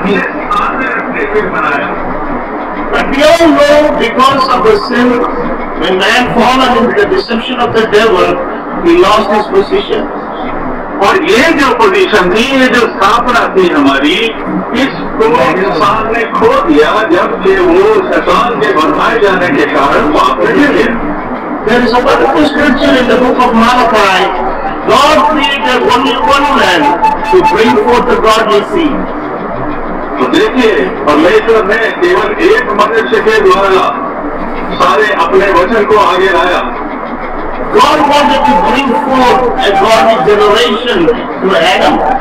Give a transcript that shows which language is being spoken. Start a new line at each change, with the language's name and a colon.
English: But we all know, because of the sin, when man fallen into the deception of the devil, he lost his position.
Hindi: और ये जो position थी, ये जो स्थापना थी हमारी, इसको इंसान ने खो दिया जब ये वो शैतान के बनाए जाने के कारण वापस गिर गया।
English: There is a wonderful scripture in the book of Malachi. God created only one man to bring forth the godly seed.
Hindi: तो देखिए, परमेश्वर ने केवल एक मनुष्य के द्वारा सारे अपने वचन को आगे लाया।
English: God wanted to bring forth a godly generation to Adam.